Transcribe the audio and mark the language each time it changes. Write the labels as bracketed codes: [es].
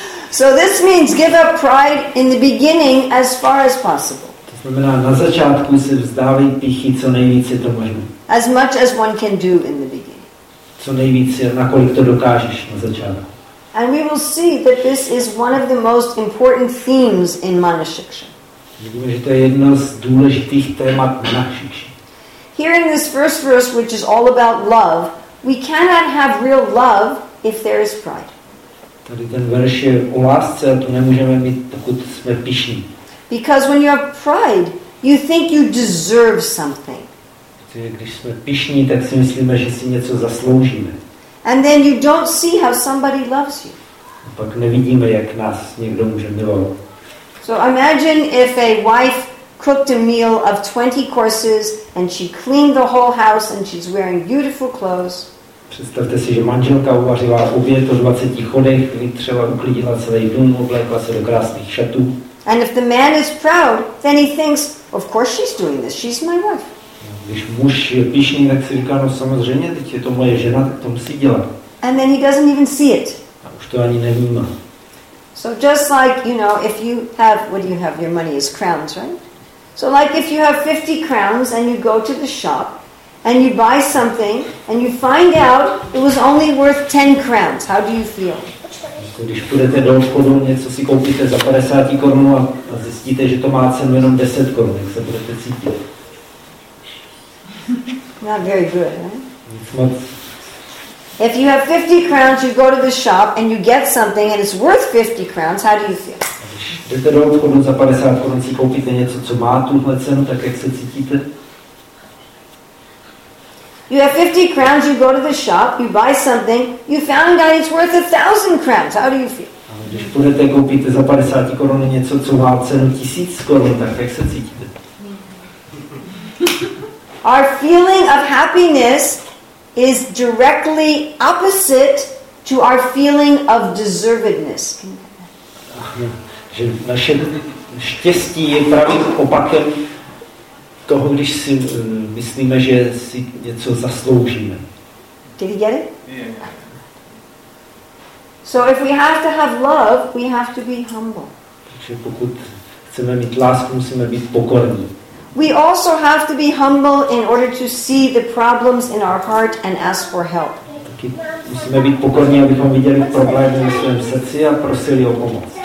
[en] So this means give up pride in the beginning as far as possible. [cs] To znamená, na začátku se vzdávej pýchy, co nejvíce to možné. [en] As much as one can do in the beginning. [cs] Co nejvíce, nakolik to dokážeš na začátku. [en] And we will see that this is one of the most important themes in Manushiksha. [cs] Vidíme, že to je jedno z důležitých témat Manushiksha. [en] Here in this first verse, which is all about love, we cannot have real love if there is pride. [cs] Tady ten verš je o lásce, a to nemůžeme mít, pokud jsme pyšní. [en] Because when you have pride, you think you deserve something. [cs] Když jsme pyšní, tak si myslíme, že si něco zasloužíme. [en] And then you don't see how somebody loves you. [cs] A pak nevidíme, jak nás někdo může milovat. [en] So imagine if a wife cooked a meal of 20 courses and she cleaned the whole house and she's wearing beautiful clothes. [cs] Představte si, že manželka uvařila oběd o 20 chodech, vytřela, uklidila celý dům, oblékla se do krásných šatů. [en] And if the man is proud, then he thinks, of course she's doing this, she's my wife. [cs] Když muž je pyšný, tak si říká, no samozřejmě, teď je to moje žena, tak to musí dělat. [en] And then he doesn't even see it. [cs] A už to ani nevnímá. [en] So just like, you know, if you have, what do you have, your money is crowns, right? So like if you have 50 crowns and you go to the shop, and you buy something and you find out it was only worth 10 crowns. How do you feel? [cs] Když půjdete do obchodu, něco si koupíte za 50 korun a zjistíte, že to má cenu jenom 10 korun, jak se budete cítit? [en] Not very good, eh? [cs] Nic moc. [en] If you have 50 crowns, you go to the shop and you get something and it's worth 50 crowns, how do you feel? [cs] Když jdete do obchodu za 50 korun, si koupíte něco, co má tuhle cenu, tak jak se cítíte? [en] You have 50 crowns, you go to the shop, you buy something, you found out it's worth 1,000 crowns. How do you feel? [cs] Když půjdete koupíte za 50 korun něco, co má cenu 1000 korun, tak jak se cítíte? [en] Our feeling of happiness is directly opposite to our feeling of deservedness. [cs] Že naše štěstí je pravý opakem toho, když si myslíme, že si něco zasloužíme. [en] Did you get it? Yeah. So if we have to have love, we have to be humble. [cs] Takže pokud chceme mít lásku, musíme být pokorní. [en] We also have to be humble in order to see the problems in our heart and ask for help. [cs] Taky musíme být pokorní, abychom viděli problémy v svém srdci a prosili o pomoc.